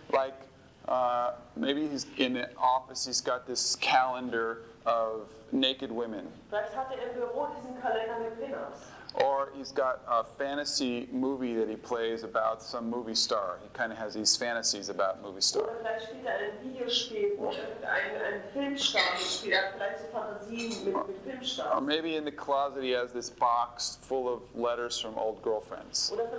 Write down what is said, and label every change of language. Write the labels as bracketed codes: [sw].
[en] Like, maybe he's in the office, he's got this calendar of naked women. [de] Vielleicht hat er im Büro diesen Kalender mit Pin-ups. [en] Or he's got a fantasy movie that he plays about some movie star. He kind of has these fantasies about movie star. Or maybe in the closet he has this box full of letters from old girlfriends.